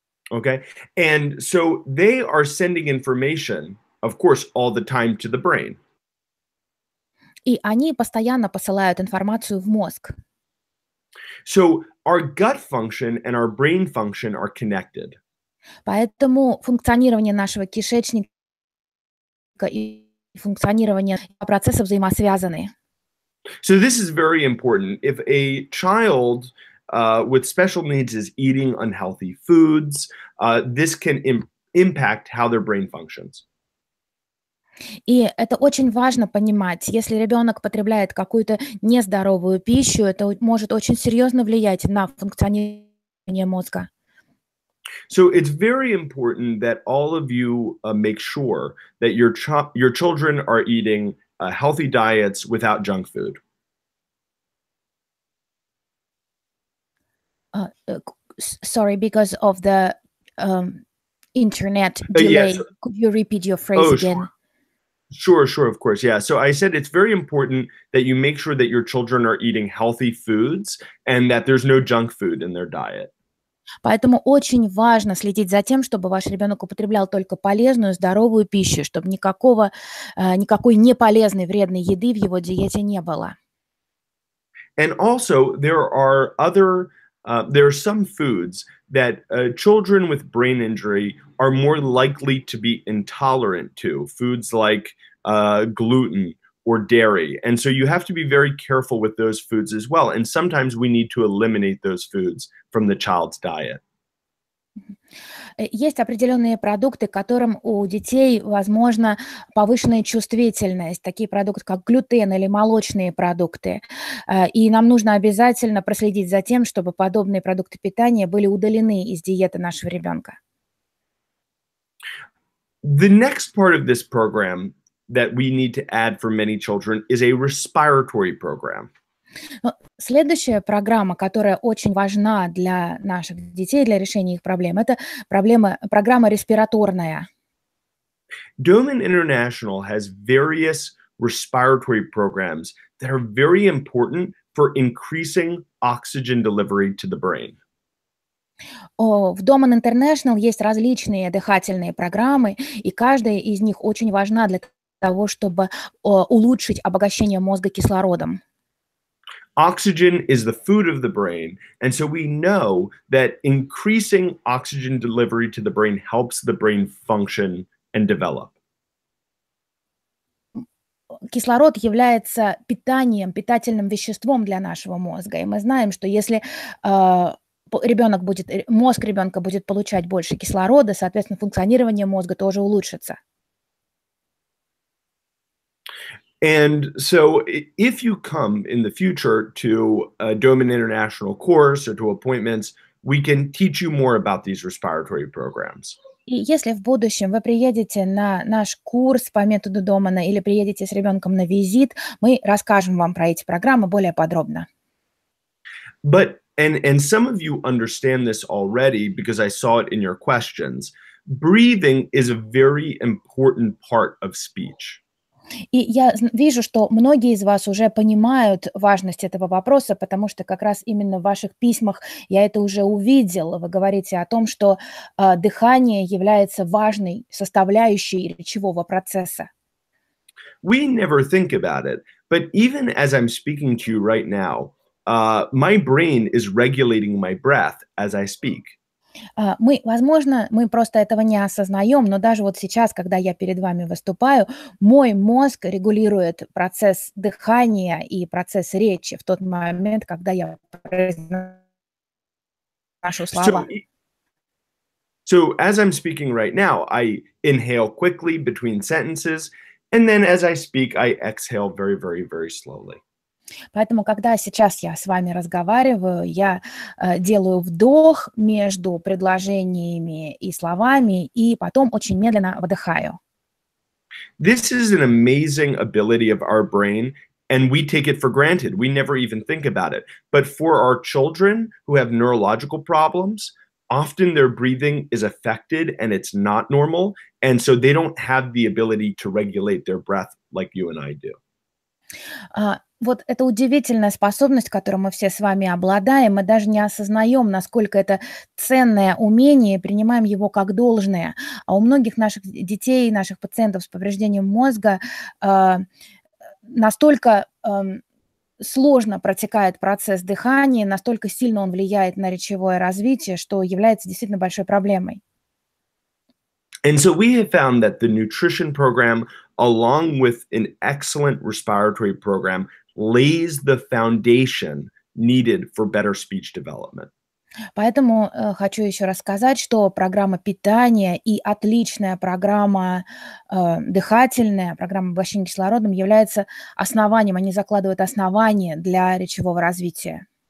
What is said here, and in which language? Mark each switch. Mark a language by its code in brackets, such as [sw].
[en] Okay, and so they are sending information, of course, all the time to the brain. [ru] И они постоянно посылают информацию в мозг. [en] So our gut function and our brain function are connected. [ru] Поэтому функционирование нашего кишечника и функционирование процесса взаимосвязаны. [en] So this is very important. If a child with special needs is eating unhealthy foods, this can impact how their brain functions. [ru] И это очень важно понимать. Если ребенок потребляет какую-то нездоровую пищу, это может очень серьезно влиять на функционирование мозга. [en] So it's very important that all of you make sure that your children are eating healthy diets without junk food? Sorry, because of the internet delay. Yes. Could you repeat your phrase again? Sure. Sure, of course. Yeah. So I said it's very important that you make sure that your children are eating healthy foods and that there's no junk food in their diet. [ru] Поэтому очень важно следить за тем, чтобы ваш ребенок употреблял только полезную, здоровую пищу, чтобы никакого, никакой неполезной, вредной еды в его диете не было. [en] And also, there are other, there are some foods that children with brain injury are more likely to be intolerant to, foods like gluten or dairy. And so you have to be very careful with those foods as well. And sometimes we need to eliminate those foods from the child's diet. [ru] Есть определенные продукты, к которым у детей, возможно, повышенная чувствительность, такие продукты, как глютен или молочные продукты. И нам нужно обязательно проследить за тем, чтобы подобные продукты питания были удалены из диеты нашего ребенка. [en] The next part of this program that we need to add for many children is a respiratory program. [ru] Следующая программа, которая очень важна для наших детей, для решения их проблем, это проблема, программа респираторная. [en] Doman International has various respiratory programs that are very important for increasing oxygen delivery to the brain. [ru] В Doman International есть различные дыхательные программы, и каждая из них очень важна для того, чтобы улучшить обогащение мозга кислородом. [en] Oxygen is the food of the brain, and so we know that increasing oxygen delivery to the brain helps the brain function and develop. [ru] Кислород является питанием, питательным веществом для нашего мозга, и мы знаем, что если ребенок будет, мозг ребенка будет получать больше кислорода, соответственно, функционирование мозга тоже улучшится. [en] And so if you come in the future to a Doman International course or to appointments, we can teach you more about these respiratory programs. [ru] И если в будущем вы приедете на наш курс по методу Домана или приедете с ребенком на визит, мы расскажем вам про эти программы более подробно. [en] But, and some of you understand this already because I saw it in your questions, breathing is a very important part of speech. [ru] И я вижу, что многие из вас уже понимают важность этого вопроса, потому что как раз именно в ваших письмах я это уже увидел. Вы говорите о том, что дыхание является важной составляющей речевого процесса. [en] We never think about it, but even as I'm speaking to you right now, my brain is regulating my breath as I speak. [ru] Мы, возможно, мы просто этого не осознаем, но даже вот сейчас, когда я перед вами выступаю, мой мозг регулирует процесс дыхания и процесс речи в тот момент, когда я произношу слова. [en] So as I'm speaking right now, I inhale quickly between sentences, and then as I speak, I exhale very, very, very slowly. [ru] Поэтому, когда сейчас я с вами разговариваю, я делаю вдох между предложениями и словами, и потом очень медленно выдыхаю. [en] This is an amazing ability of our brain, and we take it for granted. We never even think about it. But for our children who have neurological problems, often their breathing is affected and it's not normal, and so they don't have the ability to regulate their breath like you and I do. [ru] Вот это удивительная способность, которую мы все с вами обладаем, мы даже не осознаем, насколько это ценное умение, принимаем его как должное. А у многих наших детей, наших пациентов с повреждением мозга настолько сложно протекает процесс дыхания, настолько сильно он влияет на речевое развитие, что является действительно большой проблемой. [en] And so we have found that the nutrition program, along with an excellent respiratory program, lays the foundation needed for better speech development. [ru] Поэтому хочу еще раз сказать, что программа питания и отличная программа дыхательная, программа обогащения кислородом является основанием, они закладывают основание для речевого развития.